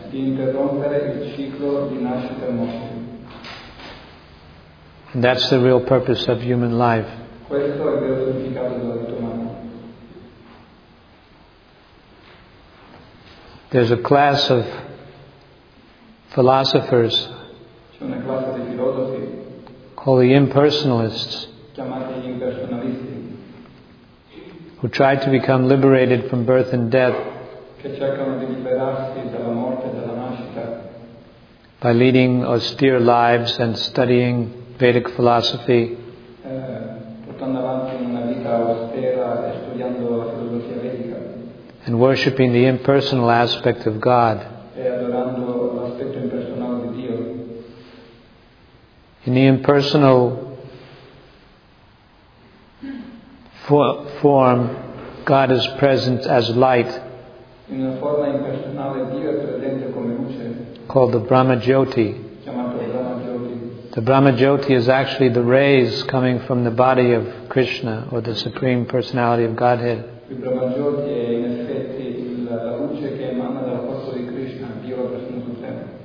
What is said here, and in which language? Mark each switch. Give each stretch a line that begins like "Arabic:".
Italian: Di interrompere il ciclo di nascita e morte.
English: And that's the real purpose of human life.
Italian: Questo è il vero significato della vita umana.
English: There's a class of philosophers.
Italian: C'è una classe di filosofi.
English: Called the impersonalists.
Italian: Chiamati gli impersonalisti.
English: Who tried to become liberated from birth and death.
Italian: Che cercano di liberarsi dalla morte e dalla nascita.
English: By leading austere lives and studying Vedic philosophy.
Italian: Portando avanti una vita austera e studiando la filosofia vedica.
English: And worshipping the impersonal aspect of God.
Italian: E adorando l'aspetto impersonale di Dio.
English: In the impersonal form, God is present as light.
Italian: In una forma impersonale Dio è presente come luce.
English: Called the Brahma Jyoti.
Italian: Chiamato Brahma Jyoti.
English: The Brahma Jyoti is actually the rays coming from the body of Krishna, or the Supreme Personality of Godhead.
Italian: Il Brahma Jyoti è in effetti la luce che emana dal corpo di Krishna, Dio la persona suprema.